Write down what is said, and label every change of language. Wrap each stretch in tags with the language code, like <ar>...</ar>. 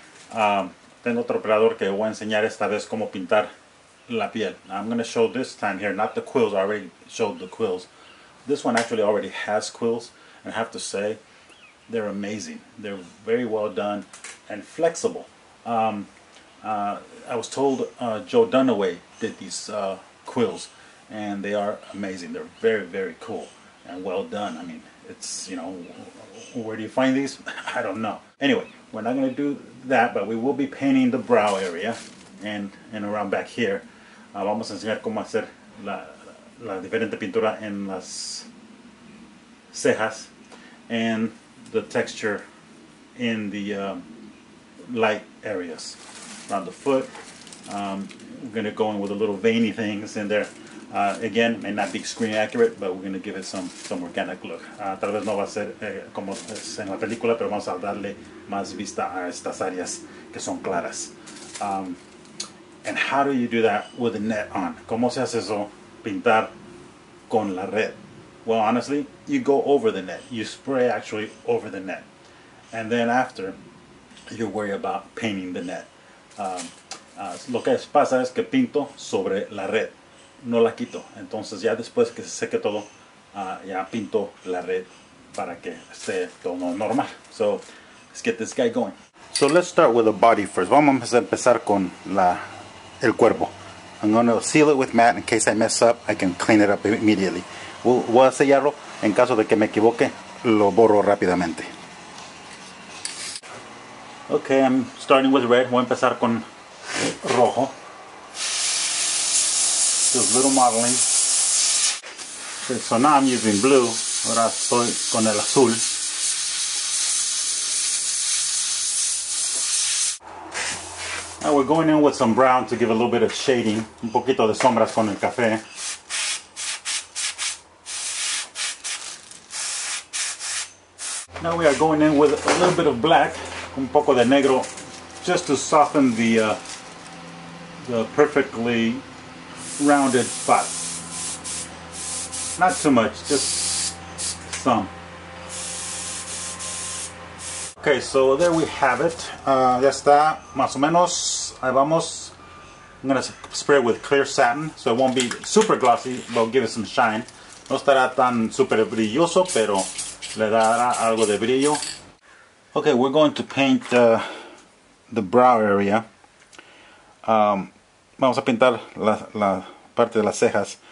<es>Tengo otro predador que voy a enseñar esta vez cómo pintar la piel.</es> <en>I'm going to show this time here, not the quills. I already showed the quills. This one actually already has quills, and I have to say, they're amazing. They're very well done and flexible. I was told Joe Dunaway did these quills, and they are amazing. They're very, very cool and well done. I mean, it's, you know, where do you find these? I don't know. Anyway, we're not going to do that, but we will be painting the brow area and around back here.</en> <es>Vamos a enseñar cómo hacer la diferente pintura en las cejas</es> <en>and the texture in the light areas. Around the foot, we're going to go in with a little veiny things in there. Again, may not be screen accurate, but we're going to give it some organic look.</en> <es>Tal vez no va a ser como es en la película, pero vamos a darle más vista a estas áreas que son claras.</es> <en>And how do you do that with the net on?</en> <es>¿Cómo se hace eso, pintar con la red?</es> <en>Well, honestly, you go over the net. You spray actually over the net. And then after, you worry about painting the net.</en> <es>Lo que pasa es que pinto sobre la red. No la quito. Entonces ya después que se seque todo, ya pinto la red para que esté todo normal.</es> <en>So, let's get this guy going. So, let's start with the body first.</en> <es>Vamos a empezar con el cuerpo.</es> <en>I'm going to seal it with matte. In case I mess up, I can clean it up immediately.</en> <es>Voy a sellarlo. En caso de que me equivoque, lo borro rápidamente.</es> <en>Okay, I'm starting with red.</en> <es>Voy a empezar con rojo.</es> <en>Just little modeling. Okay, so now I'm using blue.</en> <es>Ahora estoy con el azul.</es> <en>Now we're going in with some brown to give a little bit of shading.</en> <es>Un poquito de sombras con el café.</es> <en>Now we are going in with a little bit of black.</en> <es>Un poco de negro.</es> <en>Just to soften the perfectly rounded spot. Not too much, just some. Okay, so there we have it.</en> <es>Ya está, más o menos. Ahí vamos.</es> <en>I'm gonna spray it with clear satin, so it won't be super glossy, but it'll give it some shine.</en> <es>No estará tan super brilloso, pero le dará algo de brillo.</es> <en>Okay, we're going to paint the brow area.</en> <es>Vamos a pintar la parte de las cejas.</es>